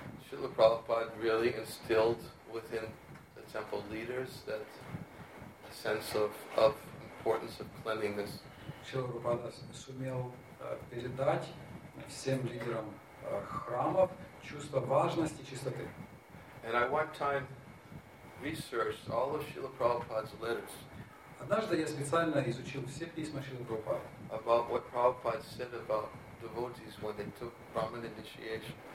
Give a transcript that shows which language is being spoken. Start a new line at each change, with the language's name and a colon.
English: Srila Prabhupada really instilled within the temple leaders that sense of importance of cleanliness.
Russian: Srila Prabhupada сумел передать всем лидерам храмов чувство важности чистоты.
English: And I one time researched all of Srila Prabhupada's letters.
Russian: Однажды я специально изучил все письма Шрилы Прабхупады.
English: About what Prabhupada said about devotees when they took Brahman initiation.